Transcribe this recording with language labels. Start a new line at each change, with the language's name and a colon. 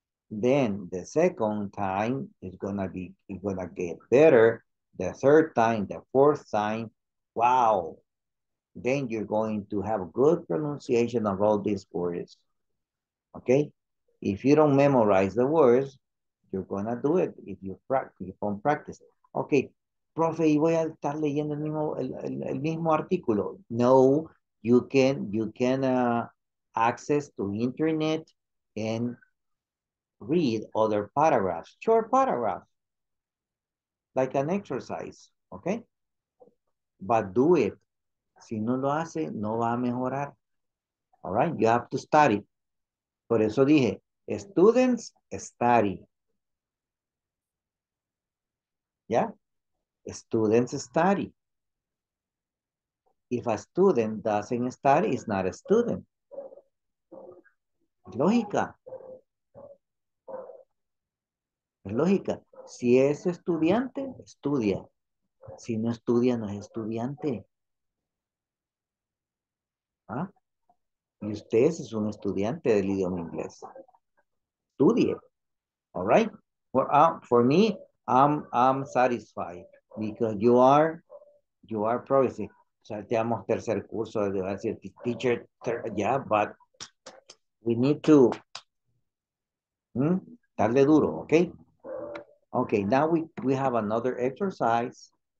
English: Then the second time is gonna get better. The third time, the fourth time, wow. Then you're going to have good pronunciation of all these words. Okay? If you don't memorize the words, you're going to do it if you practice on practice.
Spanish: Okay, profe, ¿y voy a estar leyendo el mismo artículo?
English: No, you can access to internet and read other paragraphs, short paragraphs, like an exercise. Okay? But do it.
Spanish: Si no lo hace, no va a mejorar.
English: All right? You have to study.
Spanish: Por eso dije,
English: students, study. Yeah? Students, study. If a student doesn't study, it's not a student.
Spanish: Lógica. Es lógica. Si es estudiante, estudia. Si no estudia, no es estudiante. ¿Ah? Y usted es un estudiante del idioma inglés. Estudie.
English: All right. For me, I'm satisfied because you are progressing.
Spanish: O sea, te damos tercer curso, de decir, teacher,
English: yeah, but we need to
Spanish: Darle duro,
English: okay? Okay, now we have another exercise.